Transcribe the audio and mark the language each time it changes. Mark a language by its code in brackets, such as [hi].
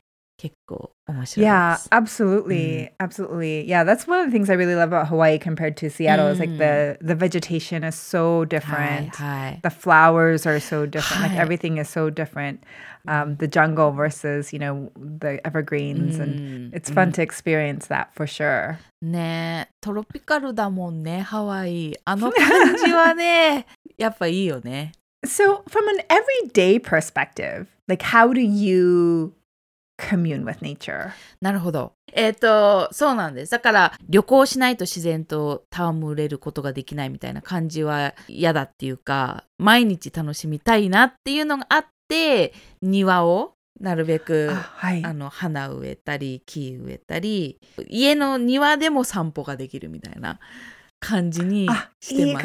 [en] Yeah. [ja] 結構面白いです。 [en] Yeah, absolutely, absolutely. Yeah, that's one of the things I really love about Hawaii compared to Seattle. It's like the vegetation is so different. [ja] はい、はい、 [en] the flowers are so different. Like everything is so different. The jungle versus, you know, the evergreens. And it's fun to experience that for sure. [ja] ね、トロピカルだもんね、ハワイ。あの感じはね、やっぱいいよね。 [en] So from an everyday perspective, like how do you... commune with nature. [ja] なるほど。そうなんです。だから旅行しないと自然と戯れることができないみたいな感じは嫌だっていうか、毎日楽しみたいなっていうのがあって、庭をなるべく、はい、あの花植えたり木植えたり、家の庭でも散歩ができるみたいな感じにしてます。